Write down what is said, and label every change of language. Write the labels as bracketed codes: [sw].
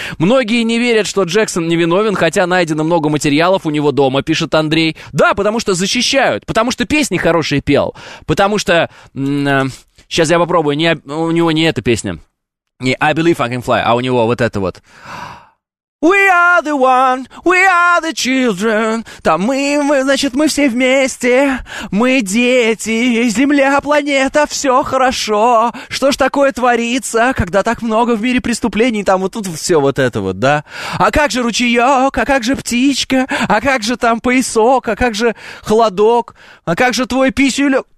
[ru] Многие не верят, что Джексон невиновен, хотя найдено много материалов у него дома, пишет Андрей. Да, потому что защищают. Потому что песни хорошие пел. Потому что... сейчас я попробую. У него не эта песня. Не I Believe I Can Fly, а у него вот это вот. [en] We are the one, we are the children. [ru] Там мы, значит, мы все вместе. Мы дети, земля, планета, все хорошо. Что ж такое творится, когда так много в мире преступлений? Там вот тут все вот это вот, да? А как же ручеек, а как же птичка? А как же там поясок, а как же холодок? А как же твой писюлек?